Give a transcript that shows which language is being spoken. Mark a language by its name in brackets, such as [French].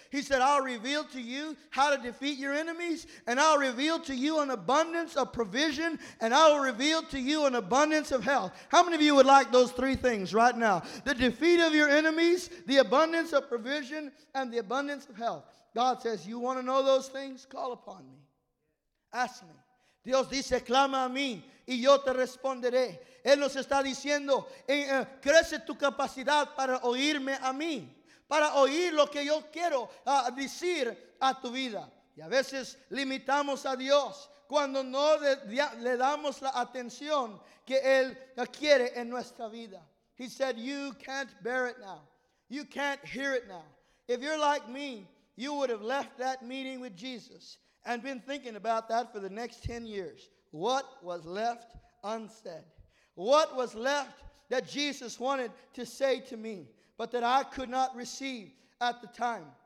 [English] He said, I'll reveal to you how to defeat your enemies, and I'll reveal to you an abundance of provision, and I'll reveal to you an abundance of health. How many of you would like those three things right now? The defeat of your enemies, the abundance of provision, and the abundance of health. God says, you want to know those things? Call upon me. Ask me. [Spanish] Dios dice, clama a mí, y yo te responderé. Él nos está diciendo, crece tu capacidad para oírme a mí, para oír lo que yo quiero decir a tu vida. Y a veces limitamos a Dios cuando no le damos la atención que Él quiere en nuestra vida. [English] He said, you can't bear it now. You can't hear it now. If you're like me, you would have left that meeting with Jesus and been thinking about that for the next 10 years. What was left unsaid? What was left that Jesus wanted to say to me, but that I could not receive at the time?